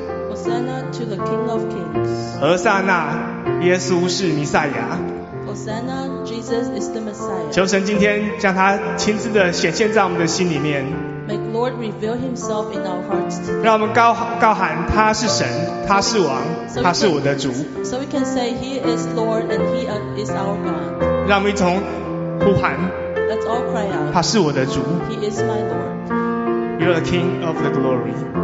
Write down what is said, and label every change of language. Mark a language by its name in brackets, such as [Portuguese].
[English] Hosanna to the King of Kings. [Chinese] Hosanna, 耶稣是弥赛亚。 [English] Hosanna, Jesus is the Messiah. [Chinese] 求神今天将他亲自的显现在我们的心里面。 [English] May the Lord reveal Himself in our hearts. [Chinese] 让我们高喊他是神，他是王，他是我的主。 [English] So we can say He is Lord and He is our God. [Chinese] 让我们一同呼喊。 [English] Let's all cry out. [Chinese] 他是我的主。 [English] He is my Lord. You're the King of the Glory.